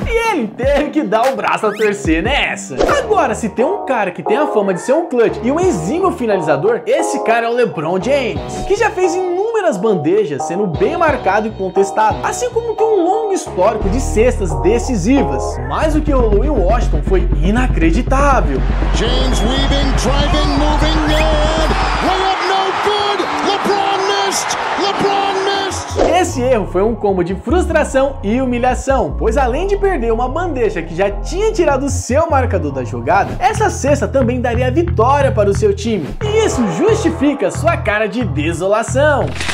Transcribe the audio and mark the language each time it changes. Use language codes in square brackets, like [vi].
[pt] E ele teve que dar o braço a torcer nessa. Agora, se tem um cara que tem a fama de ser um clutch e um exímio finalizador, esse cara é o LeBron James, que já fez inúmeras bandejas, sendo bem marcado e contestado, assim como tem um longo histórico de cestas decisivas. Mas o que rolou em Washington foi inacreditável. [en] James Weaving, driving, moving, and layup no good. LeBron missed. LeBron missed. [pt] Esse erro foi um combo de frustração e humilhação, pois além de perder uma bandeja que já tinha tirado o seu marcador da jogada, essa cesta também daria vitória para o seu time. E isso justifica sua cara de desolação.